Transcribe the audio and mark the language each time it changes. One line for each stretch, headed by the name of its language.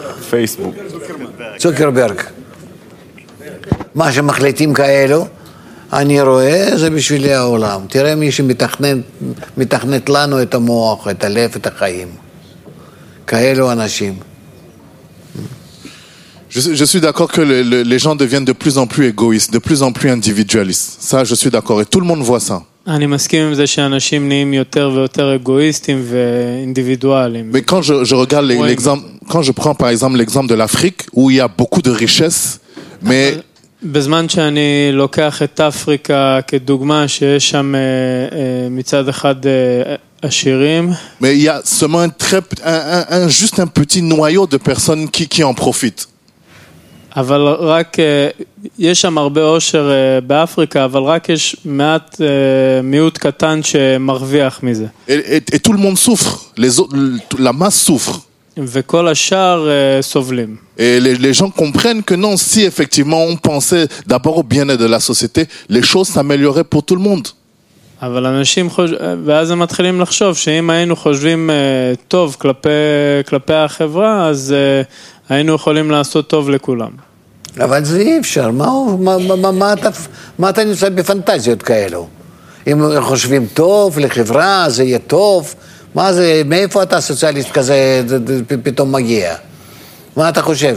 Hebrew: פייסבוק. צוקרברג. מה שמחליטים כאלו, אני רואה, זה בשבילי העולם. תראה מי שמתכנת לנו את המוח, את הלב, את החיים. כאלו אנשים.
French: Je suis d'accord que les gens deviennent de plus en plus égoïstes, de plus en plus individualistes. Ça, je suis d'accord. Et tout le monde voit ça.
Hebrew: אני מסכים עם זה שאנשים נהיים יותר ויותר אגואיסטים ואינדיבידואלים.
French: Mais quand je regarde l'exemple, quand je prends par exemple l'exemple de l'Afrique où il y a beaucoup de richesse, mais
Hebrew: בזמן שאני לוקח את אפריקה כדוגמה שיש שם מצד אחד עשירים,
French: mais il y a seulement un petit noyau de personnes qui en profitent.
Hebrew: אבל רק יש שם הרבה עושר באפריקה, אבל רק יש מעט מיעוט קטן שמרוויח מזה.
French: Et tout le monde souffre, la masse souffre.
Hebrew: וכל השאר סובלים.
French: Et les gens comprennent que non, si effectivement on pensait d'abord au bien-être de la société, les choses s'amélioreraient pour tout le monde.
Hebrew: אבל אנשים ואז הם מתחילים לחשוב שאם היינו חושבים טוב כלפי החברה, אז היינו יכולים לעשות טוב לכולם. אבל זה אי אפשר. מה אתה נמצא בפנטזיות כאלו? אם חושבים טוב לחברה, זה יהיה טוב. מה זה, מאיפה אתה סוציאליסט כזה פתאום מגיע? מה אתה חושב?